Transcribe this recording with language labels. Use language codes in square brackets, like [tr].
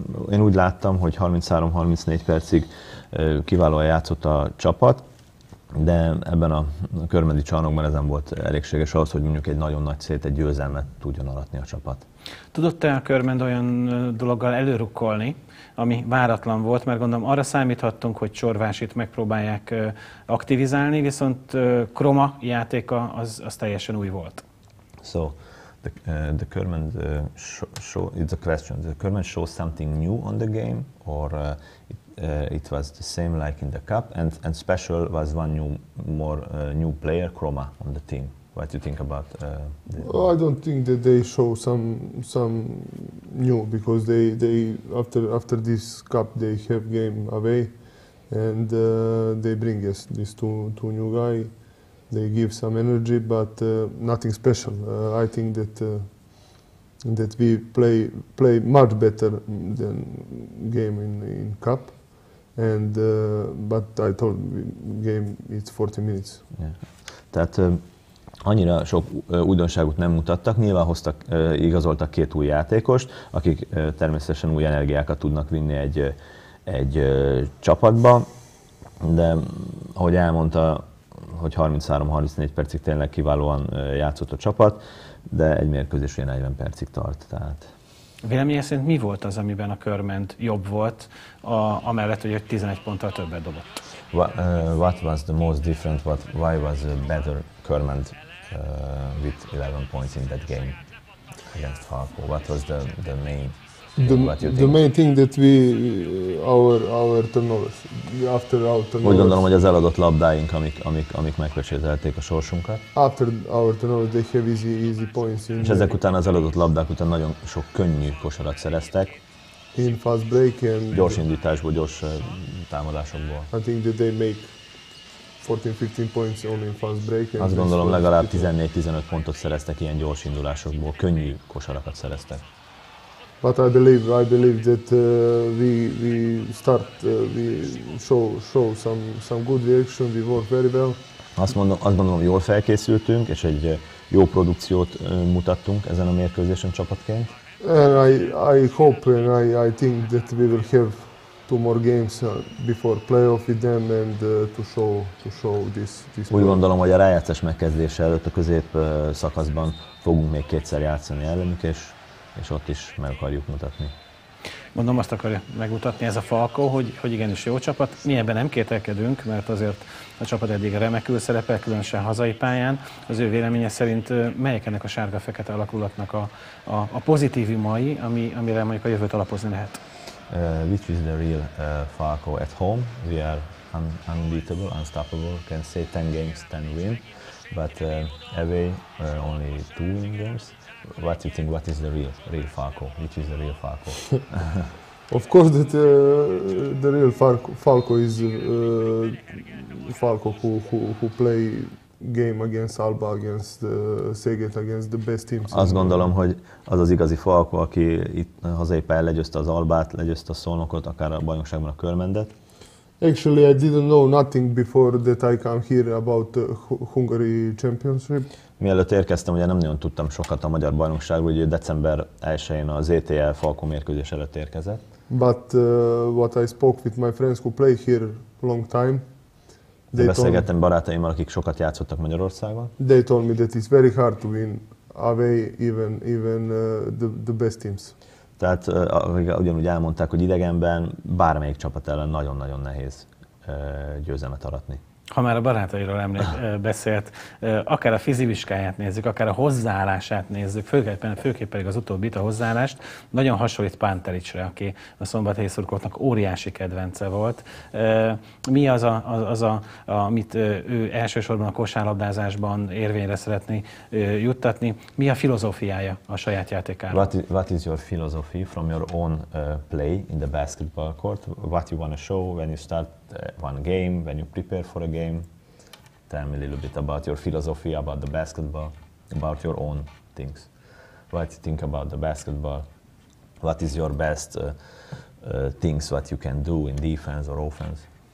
[hu] Én úgy láttam, hogy 33-34 percig kiválóan játszott a csapat, de ebben a körmendi csarnokban ez nem volt elégséges ahhoz, hogy mondjuk egy nagyon nagy szét, egy győzelmet tudjon aratni a csapat. Tudott-e a körmend olyan dologgal előrukkolni, ami váratlan volt, mert gondolom arra számíthattunk, hogy Csorvásit megpróbálják aktivizálni, viszont Kroma játéka az teljesen új volt. [en] So, the Körmend it's a question. The Körmend show something new on the game, or it was the same like in the cup, and special was one new player, Kroma, on the team. What do you think about I don't think that they show some new, because they after this cup they have game away, and they bring us these two new guy, they give some energy, but nothing special. I think that that we play much better than game in cup. And but I told game it's 40 minutes. Yeah. [hu] That annyira sok újdonságot nem mutattak, nyilván igazoltak két új játékost, akik természetesen új energiákat tudnak vinni egy csapatba, de ahogy elmondta, hogy 33-34 percig tényleg kiválóan játszott a csapat, de egy mérkőzés ugye 40 percig tart. Tehát. Vélemény szerint mi volt az, amiben a Körmend jobb volt, amellett, hogy 11 ponttal többet dobott? [en] What was the most different, why was a better Körmend? With 11 points in that game against Falco, what was the main thing? The main thing that we our turnovers after our turnovers. [hu] Úgy gondolom, hogy az eladott labdáink, amik megpecsételték a sorsunkat. [en] After our turnovers, they have easy points. In [hu] és ezek után az eladott labdák után nagyon sok könnyű kosarat szereztek. [en] In fast break and [hu] gyors indításból, gyors támadásokból. [en] I think that they make 14-15 points only in fast break. [hu] Azt gondolom legalább 14-15 pontot szereztek ilyen gyors indulásokból, könnyű kosarakat szereztek. [en] But I believe that we start we show some good reaction, we work very well. [hu] Azt gondolom jól felkészültünk és egy jó produkciót mutattunk ezen a mérkőzésen csapatként. [en] And I hope and I think that we will have two more games before playoff with them and to show this. [hu] Úgy gondolom, hogy a rájátszás megkezdése előtt a közép szakaszban fogunk még kétszer játszani ellenük, és ott is meg akarjuk mutatni. Mondom, azt akarja megmutatni ez a Falco, hogy igenis jó csapat. Mi ebben nem kételkedünk, mert azért a csapat eddig remekül szerepel, különösen hazai pályán. Az ő véleménye szerint melyek ennek a sárga-fekete alakulatnak a pozitívi mai, amire mondjuk a jövőt alapozni lehet? [en] Which is the real Falco at home? We are unbeatable, unstoppable. Can say 10 games, 10 win, but away only 2 win games. What do you think? What is the real Falco? Which is the real Falco? Of course, that the real Falco is Falco who play game against Alba, against Szeged, against the best teams. [hu] Azt gondolom, hogy az az igazi Falco, aki itt hazaépen legyőzte az Albát, legyőzte a Szolnokot, akár a bajnokságban a Körmendet. [en] Actually, I didn't know nothing before that I come here about the Hungary Championship. [hu] Mielőtt érkeztem, ugye nem nagyon tudtam sokat a magyar bajnokságról, ugye december 1-én a ZTL Falco mérkőzés előtt érkezett. [en] But what I spoke with my friends who play here long time, [hu] beszélgettem barátaimmal, akik sokat játszottak Magyarországon. [en] They told me that it's very hard to win away even the best teams. [hu] Tehát ugyanúgy elmondták, hogy idegenben bármelyik csapat ellen nagyon-nagyon nehéz győzelmet aratni. Ha már a barátairól beszélt, akár a fizivizsgáját nézzük, akár a hozzáállását nézzük, főképp pedig az utóbbit, a hozzáállást, nagyon hasonlít Pantelicsre, aki a szombathelyi szurkolóknak óriási kedvence volt. Mi az, amit ő elsősorban a kosárlabdázásban érvényre szeretné juttatni? Mi a filozófiája a saját játékára? [en] What is your philosophy from your own play in the basketball court? What you want to show when you start one game, when you prepare for a game, tell me a little bit about your philosophy, about the basketball, about your own things. What you think about the basketball? What is your best things what you can do in defense or offense?